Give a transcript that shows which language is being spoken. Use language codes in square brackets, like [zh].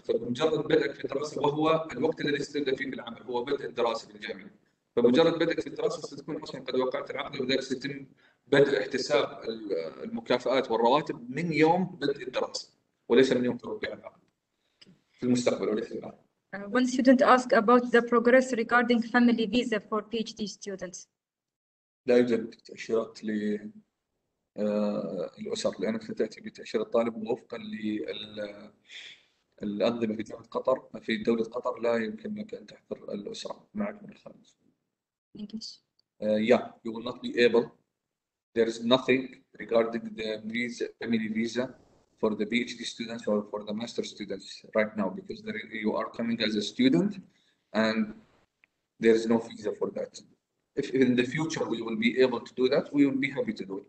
[ar] فمجرد بدأك في الدراسة، وهو الوقت الذي استبدأ فيه بالعمل هو بدء الدراسة في الجامعة. فمجرد بدأت الدراسة ستكون أصلا قد وقعت العقد، وذلك سيتم بدء احتساب المكافآت والرواتب من يوم بدء الدراسة وليس من يوم توقيع العقد في المستقبل وليس الآن. [en] One student asked about the progress regarding family visa for PhD students. [ar] لا يوجد تأشيرات للأسر، لأنك ستأتي بتأشيرة الطالب وفقا للأنظمة في دولة قطر. في دولة قطر لا يمكن لك أن تحضر الأسرة معك من الخارج. [en] Yeah, you will not be able. There is nothing regarding the visa, family visa, for the PhD students or for the master students right now, because you are coming as a student, and there is no visa for that. If in the future we will be able to do that, we will be happy to do it.